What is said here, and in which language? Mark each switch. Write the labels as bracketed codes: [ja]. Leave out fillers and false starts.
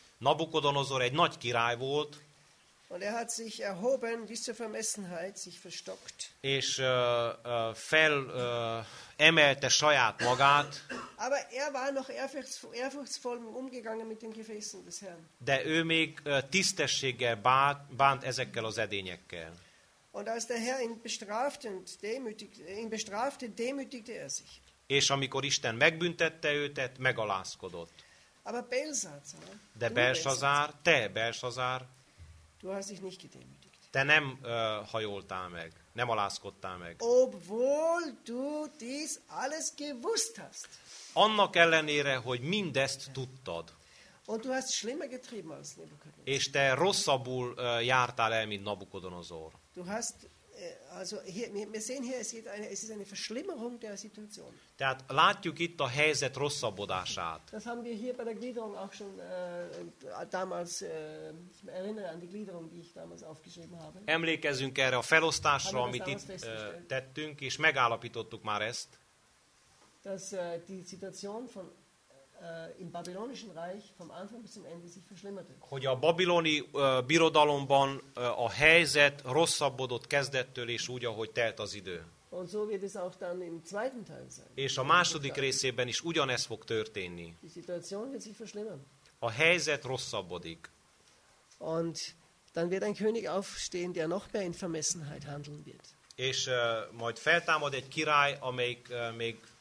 [hu] Nabukodonozor egy nagy király volt. [de] Und er hat sich erhoben bis zur Vermessenheit, sich verstockt. [hu] És fel emelte saját magát. [de] Aber er war noch ehrfurchtsvoll umgegangen mit den Gefäßen des Herrn. [hu] De ő még tisztességgel bánt ezekkel az edényekkel. [de] Und als der Herr ihn bestrafte, demütigte er sich. [hu] És amikor Isten megbüntette őt, megalázkodott. [de] Aber Belsazar, [hu] de Belsazár, te Belsazár, [de] du hast dich nicht gedemütigt. [hu] Te nem hajoltál meg, nem alázkodtál meg. [de] Obwohl du dies alles gewusst hast. [hu] Annak ellenére, hogy mindezt tudtad. [de] Und du hast schlimmer getrieben als Nebukadnezar. [hu] És te rosszabbul jártál el, mint Nabukodonozor. [de] Du hast also hier, wir sehen hier, es ist eine Verschlimmerung der Situation. [hu] Tehát látjuk itt a helyzet rosszabbodását. [de] Das haben wir hier bei der Gliederung auch schon damals, ich erinnere an die Gliederung, die ich damals aufgeschrieben habe. [hu] Emlékezzünk erre a felosztásra, amit itt tettünk, és megállapítottuk már ezt. [de] Dass die Situation von im babylonischen Reich vom Anfang bis zum Ende sich verschlimmerte. [hu] Hogy a babiloni birodalomban a helyzet rosszabbodott kezdettől és úgy, ahogy telt az idő. [de] Und so wird es auch dann im zweiten Teil sein. [hu] És a második részében is ugyanez fog történni. [de] Die Situation wird sich verschlimmern. [hu] A helyzet rosszabbodik. [de] Und dann wird ein König aufstehen, der noch mehr in Vermessenheit handeln wird. [hu] És majd feltámad egy király, amelyik még